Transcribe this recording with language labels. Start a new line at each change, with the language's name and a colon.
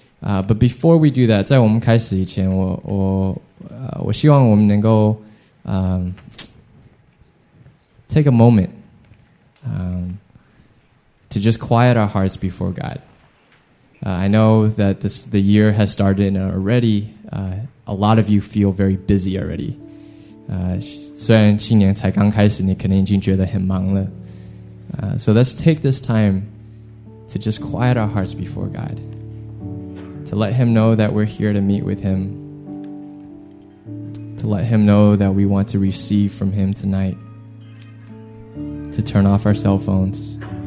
English: But before we do that,
Chinese: 在我们开始以前，我希望我们能够
English: take a moment to just quiet our hearts before God. I know that the year has started and already a lot of you feel very busy already.
Chinese: 虽然新年才刚开始，你可能已经觉得很忙了。
English: So let's take this time to just quiet our hearts before God. To let him know that we're here to meet with him. To let him know that we want to receive from him tonight. To turn off our cell phones.